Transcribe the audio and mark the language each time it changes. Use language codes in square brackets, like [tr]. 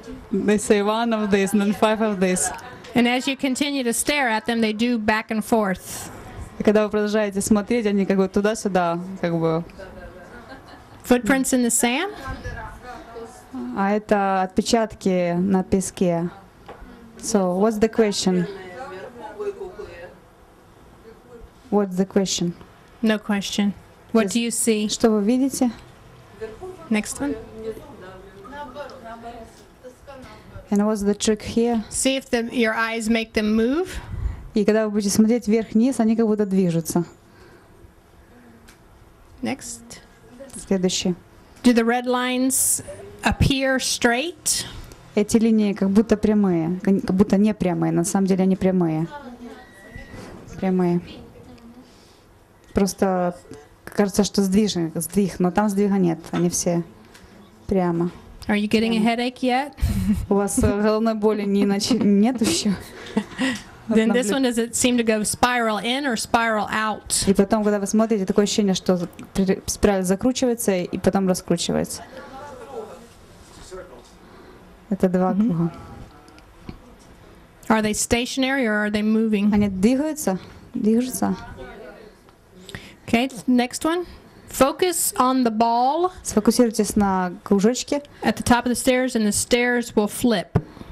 [en] They say one of these and then five of these. And as you continue to stare at them, they do back and forth. [ru] Когда вы продолжаете смотреть, они как бы туда-сюда, как бы. [en] Footprints in the sand? [ru] А это отпечатки на песке. [en] So, what's the question? What's the question? No question. What do you see? [ru] Что вы видите? [en] Next one. And what's the trick here? See if your eyes make them move. [ru] И когда вы будете смотреть вверх-вниз, они как будто движутся. [en] Next. [ru] Следующий. [en] Do the red lines appear straight? [ru] Эти линии как будто прямые, как будто не прямые, на самом деле они прямые. Прямые. Просто кажется, что сдвиг, но там сдвига нет, они все прямо. [en] Are you getting a headache yet? [ru] У вас головной боли нет еще? [en] Then this one, does it seem to go spiral in or spiral out? [ru] И потом, когда вы смотрите, такое ощущение, что спираль закручивается и потом раскручивается. Это два круга. [en] Are they stationary or are they moving? [ru] Они двигаются? Движутся. [en] Okay, next one. Focus on the ball. [ru] Сфокусируйтесь на кружочке. [en] At the top of the stairs, and the stairs will flip.